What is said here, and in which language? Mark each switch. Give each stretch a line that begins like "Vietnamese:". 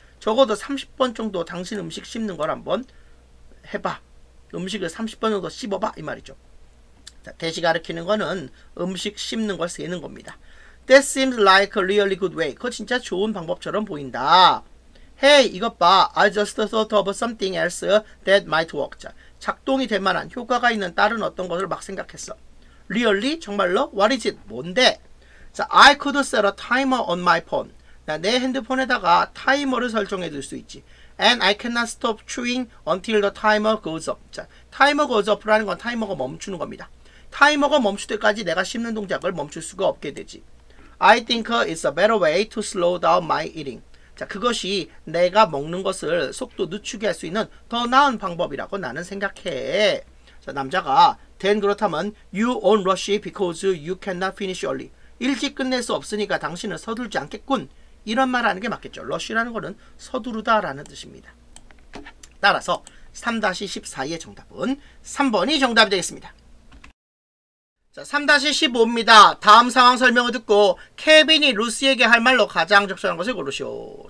Korean: 적어도 30번 정도 당신 음식 씹는 걸 한번 해봐. 음식을 30번 정도 씹어봐. 이 말이죠. 자, 대시 가르치는 거는 음식 씹는 걸 세는 겁니다.
English: That seems like a really good way.
Korean: 그거 진짜 좋은 방법처럼 보인다.
English: Hey,
Korean: 이것 봐.
English: I just thought of something else that might work.
Korean: 자, 작동이 될 만한 효과가 있는 다른 어떤 것을 막 생각했어.
English: Really?
Korean: 정말로?
English: What is it?
Korean: 뭔데?
English: 자, I could set a timer on my phone.
Korean: 자, 내 핸드폰에다가 타이머를 설정해 둘 수 있지.
English: And I cannot stop chewing until the timer goes up.
Korean: 자, 타이머
English: goes up
Korean: 라는 건 타이머가 멈추는 겁니다. 타이머가 멈출 때까지 내가 씹는 동작을 멈출 수가 없게 되지.
English: I think it's a better way to slow down my eating.
Korean: 자, 그것이 내가 먹는 것을 속도 늦추게 할 수 있는 더 나은 방법이라고 나는 생각해.
English: 자,
Korean: 남자가
English: then
Korean: 그렇다면
English: you won't rush because you cannot finish early.
Korean: 일찍 끝낼 수 없으니까 당신은 서둘지 않겠군. 이런 말 하는 게 맞겠죠. rush라는 거는 서두르다 라는 뜻입니다. 따라서 3-14의 정답은 3번이 정답이 되겠습니다. 자, 3-15입니다. 다음 상황 설명을 듣고 케빈이 루시에게 할 말로 가장 적절한 것을 고르시오.